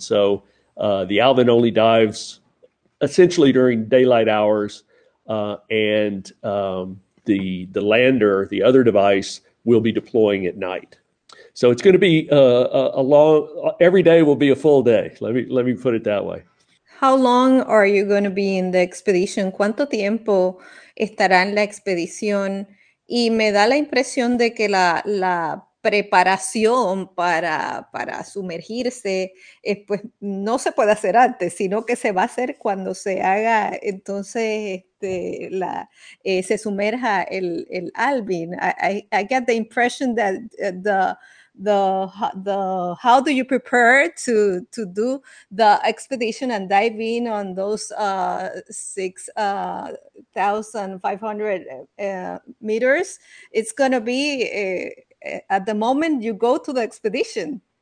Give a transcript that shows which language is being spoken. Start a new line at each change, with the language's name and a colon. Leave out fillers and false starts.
English: So the Alvin only dives essentially during daylight hours, the lander, the other device, will be deploying at night. So it's going to be a long, every day will be a full day. Let me put it that way. How long are you going to be in the expedition?
Spanish: ¿Cuánto tiempo estará en la expedición? Y me da la impresión de que la preparación para sumergirse pues no se puede hacer antes, sino que se va a hacer cuando se haga, entonces se sumerja el Alvin.
English: I get the impression that the how do you prepare to do the expedition and dive in on those 6,500 meters? It's gonna be at the moment you go to the expedition.